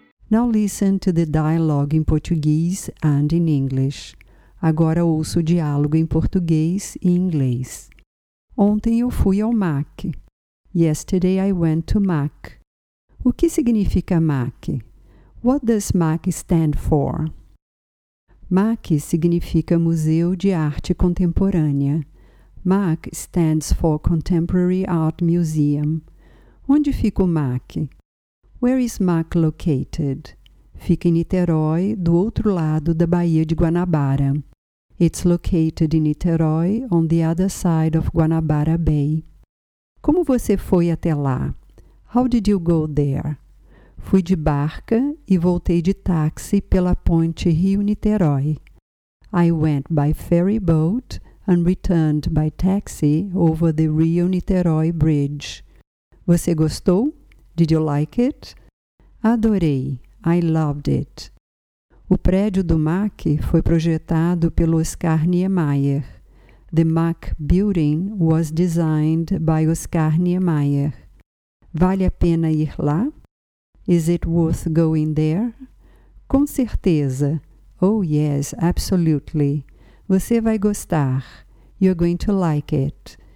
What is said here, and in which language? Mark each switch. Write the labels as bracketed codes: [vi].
[en] Now listen to the dialogue in Portuguese and in English. [pt] Agora ouço o diálogo em português e inglês. Ontem eu fui ao MAC. [en] Yesterday I went to MAC. [pt] O que significa MAC? [en] What does MAC stand for? [pt] MAC significa Museu de Arte Contemporânea. [en] MAC stands for Contemporary Art Museum. [pt] Onde fica o MAC? [en] Where is MAC located? [pt] Fica em Niterói, do outro lado da Baía de Guanabara. [en] It's located in Niterói, on the other side of Guanabara Bay. [pt] Como você foi até lá? [en] How did you go there? [pt] Fui de barca e voltei de táxi pela ponte Rio-Niterói. [en] I went by ferry boat and returned by taxi over the Rio-Niterói Bridge. [pt] Você gostou? [en] Did you like it? [pt] Adorei. [en] I loved it. [pt] O prédio do MAC foi projetado pelo Oscar Niemeyer. [en] The MAC building was designed by Oscar Niemeyer. [pt] Vale a pena ir lá? [en] Is it worth going there? [pt] Com certeza. [en] Oh yes, absolutely. [pt] Você vai gostar. [en] You're going to like it.